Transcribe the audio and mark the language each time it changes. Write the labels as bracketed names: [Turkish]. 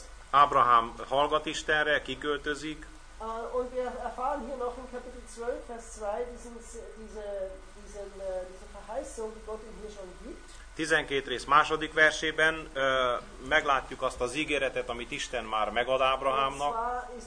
[Hungarian] Ábrahám hallgat Istenre, kiköltözik. [German] Und wir erfahren hier noch in Kapitel 12, Vers 2 diese Verheißung, die Gott ihm hier schon gibt. [Hungarian] 12 rész második versében meglátjuk azt az ígéretet, amit Isten már megad Ábrahámnak.